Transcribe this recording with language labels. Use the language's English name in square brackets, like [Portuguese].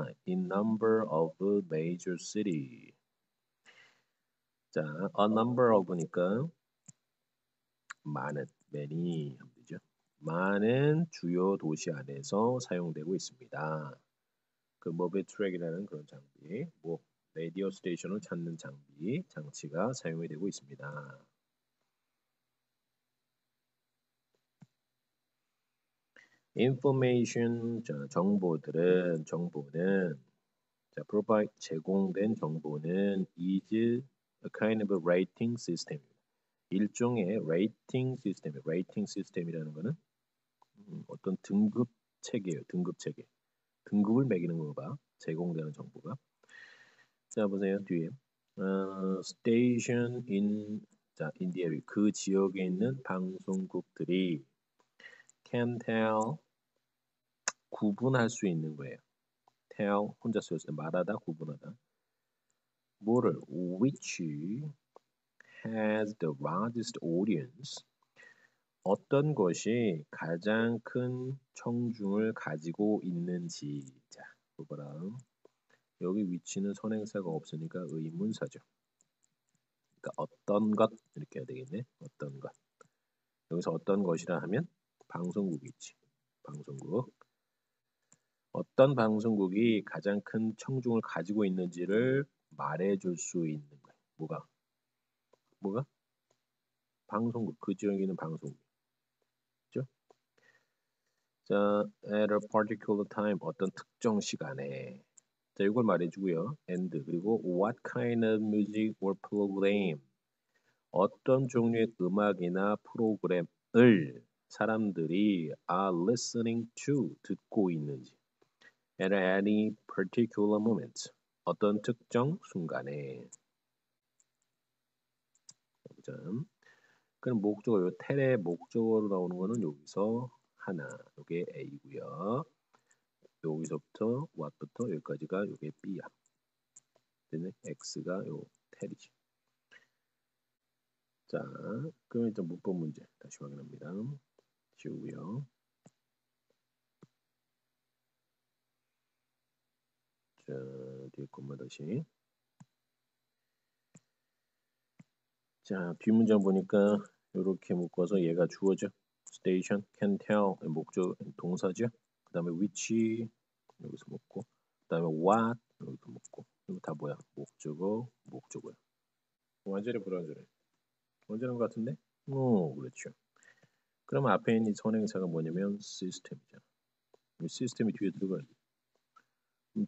[English] In number of major city. 자, a number of니까 [Korean] 많은, [English] many, [Korean] 되죠? 많은 주요 도시 안에서 사용되고 있습니다. 그 모빌 트랙이라는 그런 장비, 뭐 라디오 스테이션을 찾는 장비, 장치가 사용이 되고 있습니다. 인포메이션, 자, 정보들은, 정보는, 자, [English] provide, [Korean] 제공된 정보는 [English] is a kind of a rating system. [Korean] 일종의 [English] rating system. [Korean] rating system이라는 거는 어떤 등급 체계예요. 등급 체계. 등급을 매기는 건가? 제공되는 정보가. 자, 보세요. 뒤에. [English] station in, 자, in the area. [Korean] 그 지역에 있는 방송국들이 [English] can tell, [Korean] 구분할 수 있는 거예요. tell, 혼자 쓰였을 때 말하다, 구분하다. 뭐를, [English] which has the largest audience. [Korean] 어떤 것이 가장 큰 청중을 가지고 있는지. 자, 봐봐라. 여기 위치는 선행사가 없으니까 의문사죠. 그러니까 어떤 것 이렇게 해야 되겠네. 어떤 것. 여기서 어떤 것이라 하면 방송국이지. 방송국. 어떤 방송국이 가장 큰 청중을 가지고 있는지를 말해줄 수 있는 거야. 뭐가? 방송국. 그 지역에 있는 방송국. 자, [English] at a particular time, [Korean] 어떤 특정 시간에. [English] 자, [Korean] 이걸 말해주고요. [English] and, [Korean] 그리고 [English] what kind of music or program. [Korean] 어떤 종류의 음악이나 프로그램을 사람들이 [English] are listening to, [Korean] 듣고 있는지. [English] at any particular moment, [Korean] 어떤 특정 순간에. 그럼 목적어, 텔의 목적어로 나오는 거는 여기서 하나, 요게 A고요. 여기서부터 what부터 여기까지가 요게 B야. 됐네? X가 요 탭이지. 자, 그럼 일단 문법 문제 다시 확인합니다. 지우고요. 뒤에 것만 다시. 자, 비문장 보니까 이렇게 묶어서 얘가 주어죠. [English] Station, can tell, [Korean] 목적 동사죠. 그 다음에 which, 여기서 묶고, 그 다음에 what, 여기서 묶고. 이거 다 뭐야? 목적어, 목적어야. 완전히 불완전해. 완전한 것 같은데? 오, 그렇죠. 그럼 앞에 있는 선행사가 뭐냐면 시스템이죠. 이 시스템이 뒤에 들어가야 돼.